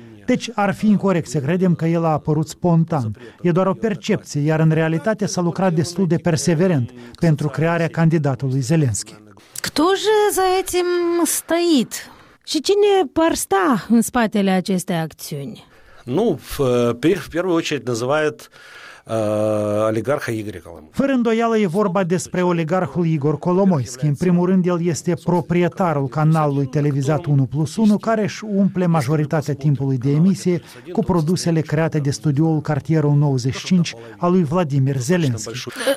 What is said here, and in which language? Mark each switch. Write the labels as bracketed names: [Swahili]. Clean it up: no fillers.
[Romanian] Deci ar fi incorect să credem că el a apărut spontan. E doar o percepție, iar în realitate s-a lucrat destul de perseverent pentru crearea candidatului Zelenski. [Russian] Кто же за этим стоит? [Romanian] Și cine par sta în spatele acestei acțiuni? [Russian] Ну, в первую очередь называют олигарха Игорь Коломойский. [Romanian] Fără îndoială e vorba despre oligarhul Igor Kolomoisky. În primul rând, el este proprietarul canalului televizat 1+1, care își umple majoritatea timpului de emisie cu produsele create de studioul Cartierul 95 al lui Vladimir Zelenski.